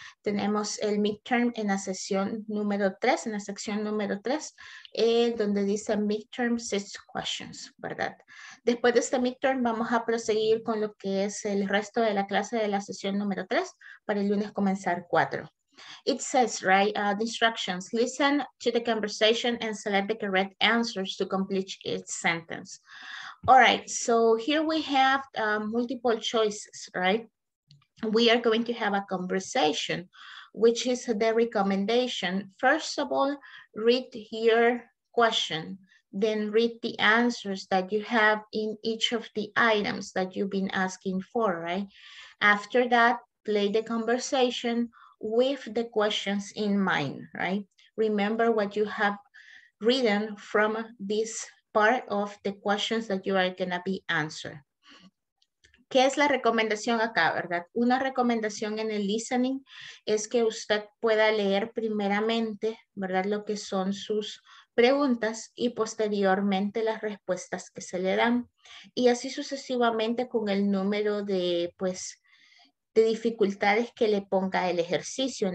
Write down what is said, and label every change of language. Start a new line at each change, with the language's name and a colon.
Spanish: Tenemos el midterm en la sesión número 3, en la sección número 3, donde dice
English: midterm 6 questions,
Spanish: ¿verdad? Después de este midterm vamos a proseguir con lo que es el resto de la clase de la sesión número 3 para el lunes comenzar 4.
English: It says, right, the instructions, listen to the conversation and select the correct answers to complete each sentence. All right, so here we have multiple choices, right? We are going to have a conversation, which is the recommendation. First of all, read your question, then read the answers that you have in each of the items that you've been asking for, right? After that, play the conversation with the questions in mind, right? Remember what you have written from this part of the questions that you are gonna be answering.
Spanish: ¿Qué es la recomendación acá, verdad? Una recomendación en el listening es que usted pueda leer primeramente, ¿verdad? Lo que son sus preguntas y posteriormente las respuestas que se le dan. Y así sucesivamente con el número de, pues, de dificultades que le ponga el ejercicio.